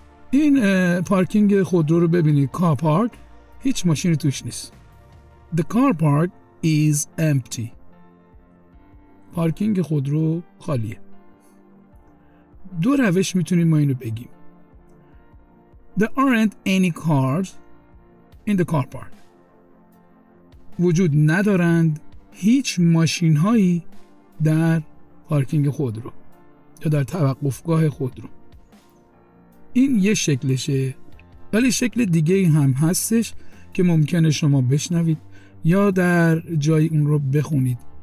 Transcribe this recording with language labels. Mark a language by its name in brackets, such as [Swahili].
[Persian] این پارکینگ خودرو رو ببینید. [English] Car park. [Persian] هیچ ماشینی توش نیست. [English] The car park is empty. [Persian] پارکینگ خودرو خالیه. دو روش میتونیم ما اینو بگیم. [English] There aren't any cars in the car park. [Persian] وجود ندارند هیچ ماشین هایی در پارکینگ خودرو یا در توقفگاه خودرو. این یه شکلشه، ولی شکل دیگه هم هستش که ممکنه شما بشنوید یا در جای اون رو بخونید.